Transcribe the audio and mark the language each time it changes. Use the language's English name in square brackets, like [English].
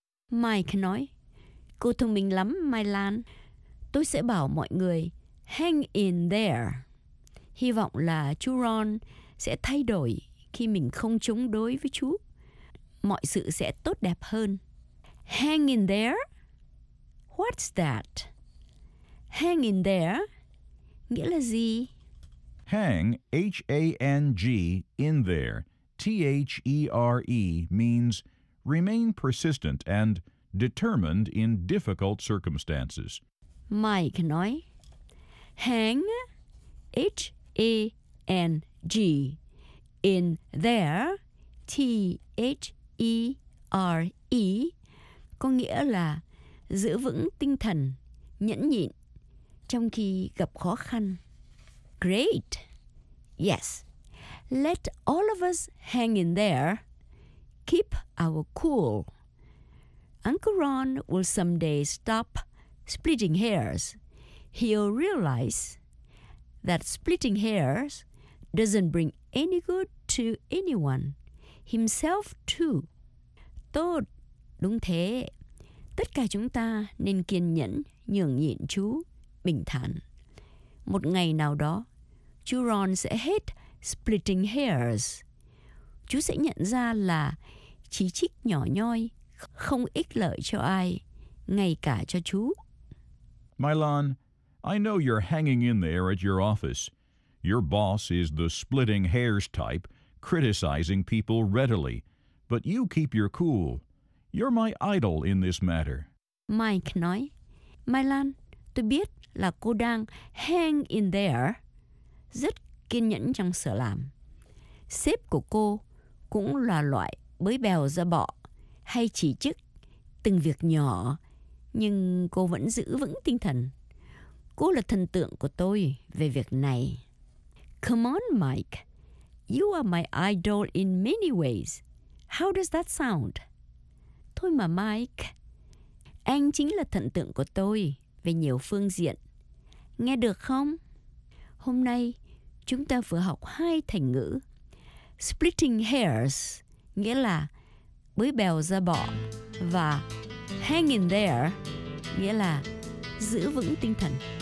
[Vietnamese] Mike nói, cô thông minh lắm, Mylon. Tôi sẽ bảo mọi người hang in there. Hy vọng là chú Ron sẽ thay đổi khi mình không chống đối với chú. Mọi sự sẽ tốt đẹp hơn. [English] Hang in there? What's that? [Vietnamese] Hang in there nghĩa là gì? [English] Hang, H-A-N-G, in there, T-H-E-R-E, means remain persistent and determined in difficult circumstances. [Vietnamese] Mike nói, hang, H-A-N-G, in there, T-H-E-R-E, có nghĩa là giữ vững tinh thần, nhẫn nhịn trong khi gặp khó khăn. [English] Great. Yes. Let all of us hang in there. Keep our cool. Uncle Ron will someday stop splitting hairs. He'll realize that splitting hairs doesn't bring any good to anyone, himself too. [Vietnamese] Tốt. Đúng thế. Tất cả chúng ta nên kiên nhẫn, nhường nhịn chú. Bình thản. Một ngày nào đó, chú Ron sẽ hết splitting hairs. Chú sẽ nhận ra là chỉ trích nhỏ nhoi không ích lợi cho ai, ngay cả cho chú. [English] Mylon, I know you're hanging in there at your office. Your boss is the splitting hairs type, criticizing people readily. But you keep your cool. You're my idol in this matter. [Vietnamese] Mike nói, Mylon, tôi biết là cô đang hang in there, rất kiên nhẫn trong sở làm. Sếp của cô cũng là loại bới bèo ra bọ hay chỉ trích từng việc nhỏ, nhưng cô vẫn giữ vững tinh thần. Cô là thần tượng của tôi về việc này. [English] Come on, Mike. You are my idol in many ways. How does that sound? [Vietnamese] Thôi mà, Mike. Anh chính là thần tượng của tôi về nhiều phương diện. Nghe được không? Hôm nay, chúng ta vừa học hai thành ngữ. Splitting hairs, nghĩa là bới bèo ra bọ, và hang in there, nghĩa là giữ vững tinh thần.